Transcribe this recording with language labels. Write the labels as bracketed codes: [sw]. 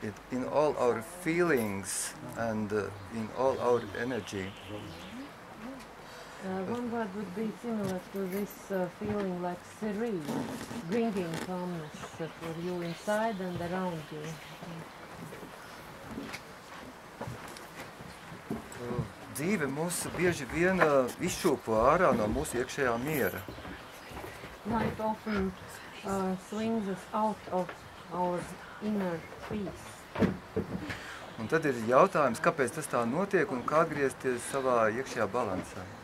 [en] In all our feelings and in all our energy. One word would be similar to this feeling like serene, bringing calmness for you inside and around you. [lv] Dzīve mūs bieži vien izšūpo ārā no mūsu iekšējā miera. [en] Life often swings us out of our inner peace. [lv] Un tad ir jautājums, kāpēc tas tā notiek un kā atgriezties savā iekšējā balansā.